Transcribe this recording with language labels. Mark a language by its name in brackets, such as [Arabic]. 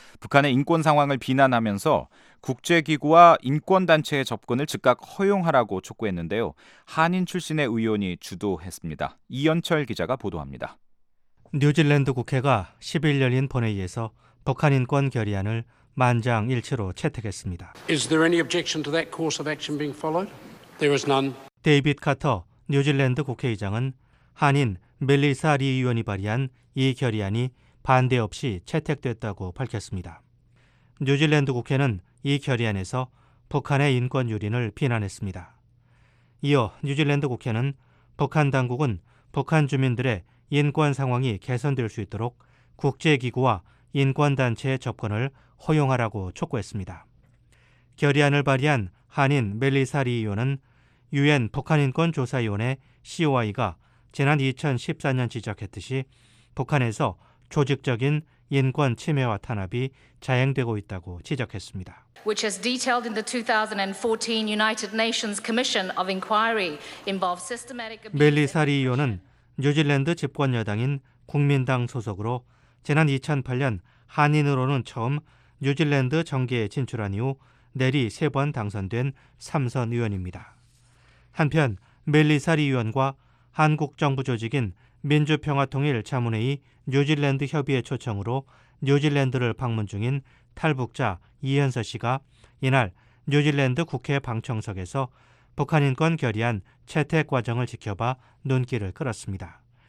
[Korean] 북한의 인권 상황을 비난하면서 국제기구와 인권단체의 접근을 즉각 허용하라고 촉구했는데요. 한인 출신의 의원이 주도했습니다. 이연철 기자가 보도합니다. 뉴질랜드 국회가 10일 열린 본회의에서 북한 인권 결의안을 만장일치로 채택했습니다. [English] Is there any objection to that course of action being followed? There is none. [Korean] 데이빗 카터 뉴질랜드 국회의장은 한인 멜리사 리 의원이 발의한 이 결의안이 반대 없이 채택됐다고 밝혔습니다. 뉴질랜드 국회는 이 결의안에서 북한의 인권 유린을 비난했습니다. 이어 뉴질랜드 국회는 북한 당국은 북한 주민들의 인권 상황이 개선될 수 있도록 국제기구와 인권단체의 접근을 허용하라고 촉구했습니다. 결의안을 발의한 한인 멜리사 리 의원은 유엔 북한인권조사위원회 COI가 지난 2014년 지적했듯이 북한에서 조직적인 인권 침해와 탄압이 자행되고 있다고 지적했습니다. [English] Which has detailed in the 2014 United Nations Commission of Inquiry involved systematic abuse. [Korean] 멜리사 리 의원은 뉴질랜드 집권 여당인 국민당 소속으로 지난 2008년 한인으로는 처음 뉴질랜드 정계에 진출한 이후 내리 세 번 당선된 3선 의원입니다. 한편 멜리사 리 의원과 한국 정부 조직인 민주평화통일자문회의 뉴질랜드 협의회 초청으로 뉴질랜드를 방문 중인 탈북자 이현서 씨가 이날 뉴질랜드 국회 방청석에서 북한인권 결의안 채택 과정을 지켜봐 눈길을 끌었습니다.